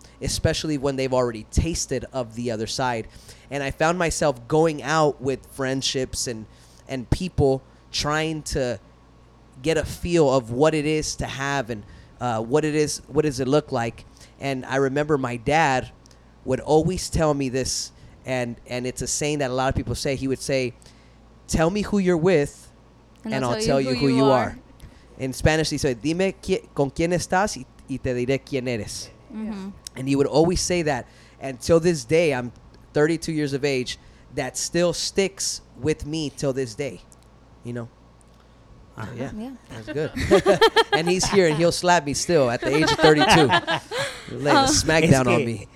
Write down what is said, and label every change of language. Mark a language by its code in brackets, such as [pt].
[en] especially when they've already tasted of the other side. And I found myself going out with friendships and people trying to get a feel of what it is to have and what it is, what does it look like. And I remember my dad would always tell me this, and it's a saying that a lot of people say. He would say, tell me who you're with, and I'll tell you who you are. In Spanish, he said, [es] dime con quién estás y te diré quién eres. [en] Mm-hmm. And he would always say that. And till this day, I'm 32 years of age, that still sticks with me till this day, you know? Yeah. That's good. And he's here, and he'll slap me still at the age of 32. Lay a smackdown on me.